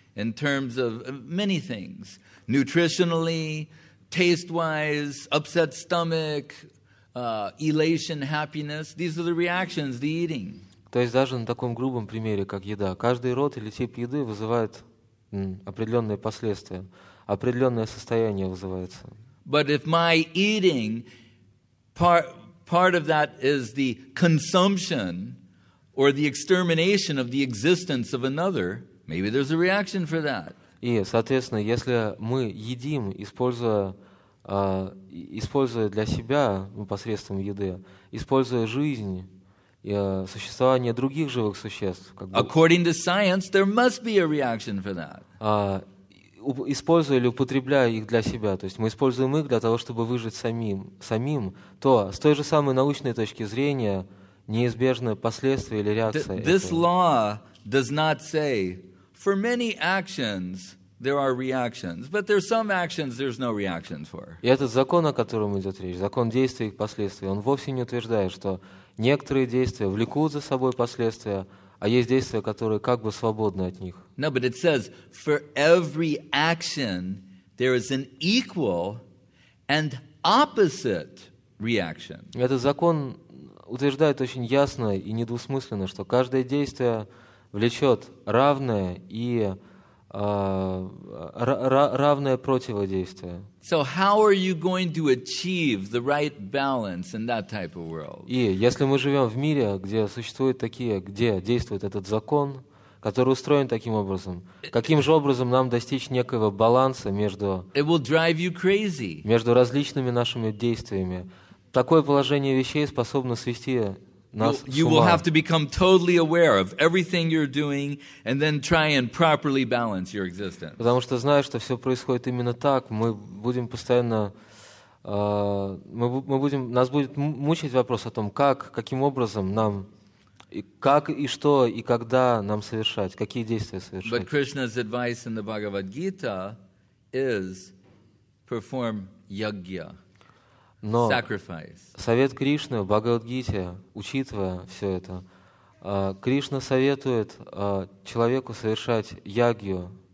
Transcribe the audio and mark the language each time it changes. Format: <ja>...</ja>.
<en>In terms of many things, nutritionally, taste-wise, upset stomach, elation, happiness, these are the reactions, the eating.</en> <ru>То есть даже на таком грубом примере, как еда, каждый род или тип еды вызывает определенные последствия, определенное состояние вызывается.</ru> <en>But if my eating, part of that is the consumption or the extermination of the existence of another, maybe there's a reaction for that.</en> <ru>И, соответственно, если мы едим, используя для себя, ну, посредством еды, используя жизнь и существование других живых существ, как бы,</ru> <en>according to science, there must be a reaction for that.</en> <ru>Используя или употребляя их для себя, то есть мы используем их для того, чтобы выжить самим, то с той же самой научной точки зрения неизбежны последствия или реакция.</ru> <en>This law does not say. For many actions, there are reactions, but there are some actions there's no reactions for.</en> <ru>И этот закон, о котором идет речь, закон действий и последствий, он вовсе не утверждает, что некоторые действия влекут за собой последствия, а есть действия, которые как бы свободны от них.</ru> <en>No, but it says, for every action, there is an equal and opposite reaction.</en> <ru>Этот закон утверждает очень ясно и недвусмысленно, что каждое действие влечет равное и равное противодействие.</ru> <en>So how are you going to achieve the right balance in that type of world?</en> <ru>И если мы живем в мире, где существуют такие, где действует этот закон, который устроен таким образом, каким же образом нам достичь некоего баланса между,</ru> <en>it will drive you crazy.</en> <ru>Между различными нашими действиями? Такое положение вещей способно свести</ru> <en>You will have to become totally aware of everything you're doing and then try and properly balance your existence.</en> <ru>Потому что зная, что все происходит именно так, мы будем постоянно нас будет мучить вопрос о том, каким образом нам и как и что и когда нам совершать, какие действия совершать.</ru> <en>But Krishna's advice in the Bhagavad Gita is perform yagya.</en> <ru>Но совет Кришны в Бхагавад-гите, учитывая все это, Кришна советует человеку совершать ягью.</ru>